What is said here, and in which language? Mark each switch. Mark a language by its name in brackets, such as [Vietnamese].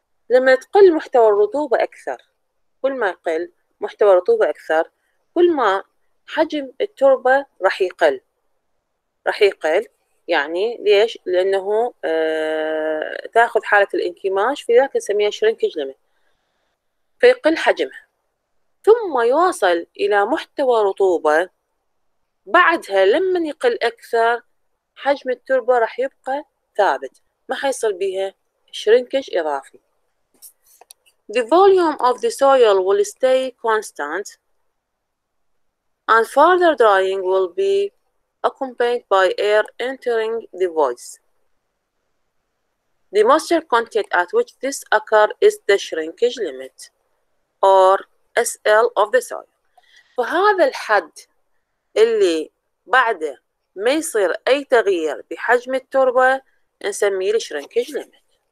[Arabic] لما تقل محتوى الرطوبة أكثر، كل ما يقل محتوى الرطوبة أكثر كل ما حجم التربة راح يقل يعني ليش؟ لأنه تأخذ حالة الانكماش، في ذلك نسميها shrinkage limit، فيقل حجمها. ثم يوصل إلى محتوى رطوبة، بعدها لما يقل أكثر حجم التربة راح يبقى ثابت، ما حيصل بها shrinkage إضافي. [English] The volume of the soil will stay constant and further drying will be accompanied by air entering the voids. The moisture content at which this occurs is the shrinkage limit or SL of the soil. [Arabic] فهذا الحد اللي بعده ما يصير أي تغيير بحجم التربة نسميه الـ shrinkage limit.